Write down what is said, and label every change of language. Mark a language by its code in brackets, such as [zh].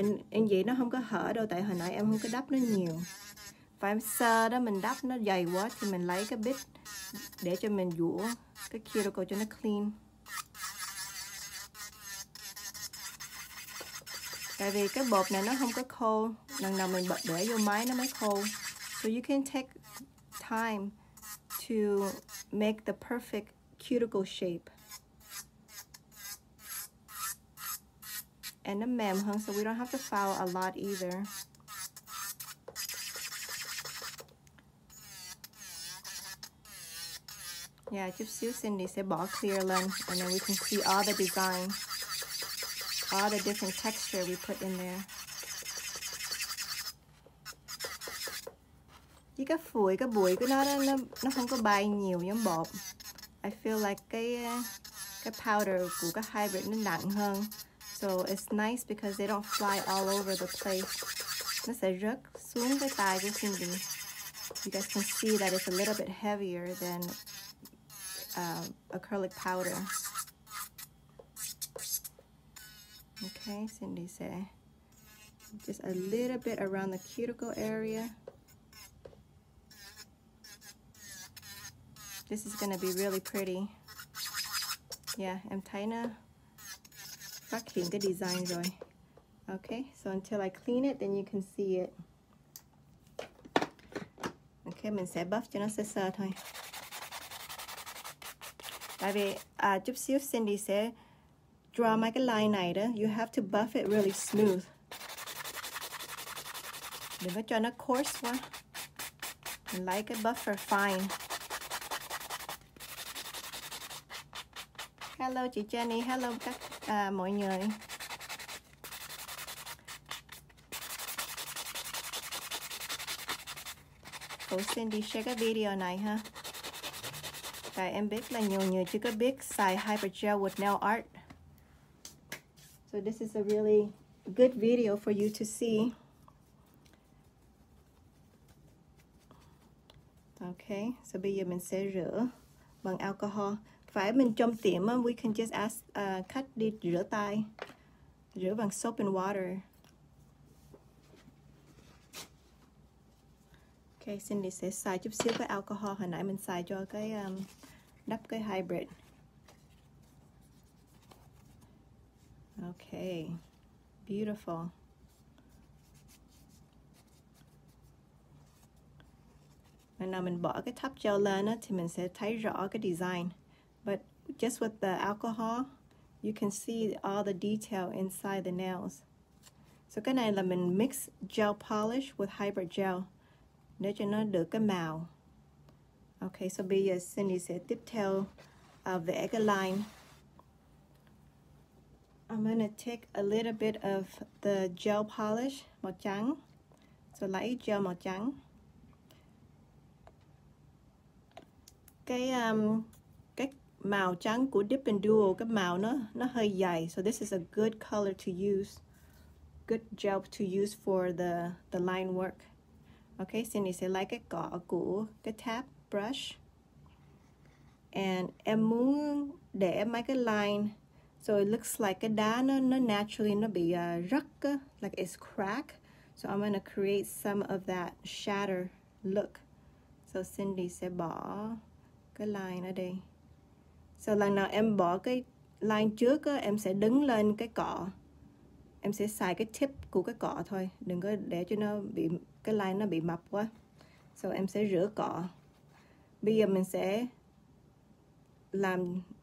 [vi] And vậy nó không có hở đâu, tại hồi nãy em không có đắp nó nhiều. Và em sơ đó, mình đắp nó dày quá thì mình lấy cái bit để cho mình dũa cái cuticle cho nó clean. Tại vì cái bột này nó không có khô, lần nào mình bật để vô máy nó mới khô. [en] So you can take time to make the perfect cuticle shape. And [vi] nó mềm hơn, [en] so we don't have to file a lot either. Yeah, [vi] chút xíu Cindy sẽ bỏ clear lên, [en] and then we can see all the design. All the different texture we put in there. [vi] Chứ cái phủi, cái bụi của nó không có bay nhiều giống bột. [en] I feel like [vi] cái powder của cái hybrid nó nặng hơn. [en] So it's nice because they don't fly all over the place. [vi] Nó sẽ rớt xuống cái tay của Cindy. [en] You guys can see that it's a little bit heavier than acrylic powder. Okay, Cindy say. Just a little bit around the cuticle area. This is gonna be really pretty. [vi] Yeah, em thấy nó phát hiện cái design rồi. [en] Okay, so until I clean it, then you can see it. [vi] Okay, mình sẽ buff cho nó sơ sơ thôi. Tại vì chút xíu Cindy sẽ [en] draw my line này đó, you have to buff it really smooth. [vi] Đừng có cho nó coarse quá. Mình lấy cái buffer fine. Hello chị Jenny, hello các mọi người. Cô Cindy share cái video này ha. Tại em biết là nhiều người chưa có biết xài hypergel with nail art. [en] So this is a really good video for you to see. [vi] Okay, so bây giờ mình sẽ rửa bằng alcohol. Phải mình trong tiệm, [en] we can just ask [vi] khách đi rửa tay. Rửa bằng [en] soap and water. [vi] Okay, Cindy sẽ xài chút xíu cái alcohol. Hồi nãy mình xài cho cái đắp cái hybrid. [en] Okay, beautiful. [vi] And now mình bỏ cái top gel lên á, thì mình sẽ thấy rõ cái design. [en] But just with the alcohol, you can see all the detail inside the nails. [vi] So cái này là mình mix gel polish with hybrid gel để cho nó được cái màu. Okay, so bây giờ Cindy sẽ tiếp theo vẽ cái line. [en] I'm gonna take a little bit of the gel polish, [vi] màu trắng. So lấy gel màu trắng. Cái màu trắng của Dip and Duo, cái màu nó hơi dày. [en] So this is a good color to use, good gel to use for the line work. [vi] Okay, Cindy sẽ lấy cái cọ của cái tap brush. And em muốn để mấy cái line. [en] So it looks like [vi] cái đá nó [en] naturally [vi] nó bị rắc, [en] like it's crack. So I'm gonna create some of that shatter look. [vi] So Cindy sẽ bỏ cái line ở đây. So lần nào em bỏ cái line trước á, em sẽ đứng lên cái cọ. Em sẽ xài cái tip của cái cọ thôi. Đừng có để cho nó bị cái line nó bị mập quá. So em sẽ rửa cọ. Bây giờ mình sẽ làm...